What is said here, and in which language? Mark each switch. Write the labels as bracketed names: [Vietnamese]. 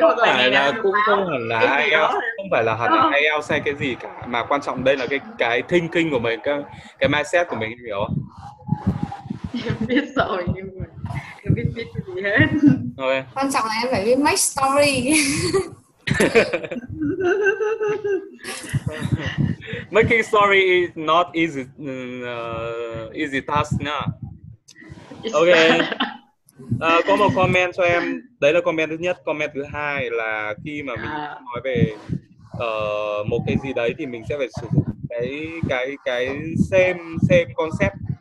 [Vietnamese] Không phải là cũng không phải là IELTS, không phải là hẳn IELTS hay cái gì cả, mà quan trọng đây là cái thinking của mình, cái mindset của mình, hiểu không? Em biết rồi nhưng mà em biết cái gì hết. Okay. Quan trọng là em phải biết make story. [English] Making story is not easy, easy task nha. [Vietnamese] Ok, có một comment cho em. Đấy là comment thứ nhất. Comment thứ hai là khi mà mình nói về một cái gì đấy thì mình sẽ phải sử dụng cái same concept.